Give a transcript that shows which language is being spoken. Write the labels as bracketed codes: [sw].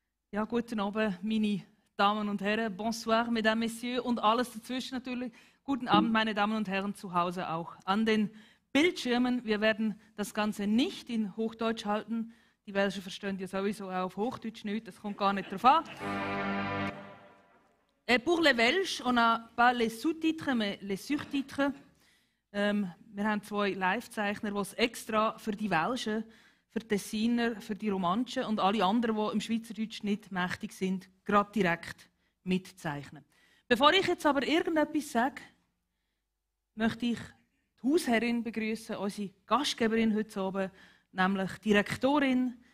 [de] Ja, guten Abend, Mini. Damen und Herren, [fr] bonsoir, mesdames, messieurs [de] und alles dazwischen natürlich. Guten Abend, meine Damen und Herren, zu Hause auch. An den Bildschirmen, wir werden das Ganze nicht in Hochdeutsch halten. Die Welschen verstehen ja sowieso auch auf Hochdeutsch nicht, das kommt gar nicht drauf an. [fr] Et pour les Welches, on a pas les sous-titres, mais les surtitres. [de] Wir haben zwei Live-Zeichner, die es extra für die Welschen, für die Tessiner, für die Romanche und alle anderen, die im Schweizerdeutsch nicht mächtig sind, gerade direkt mitzeichnen. Bevor ich jetzt aber irgendetwas sage, möchte ich die Hausherrin begrüßen, unsere Gastgeberin heute Abend, nämlich die Rektorin.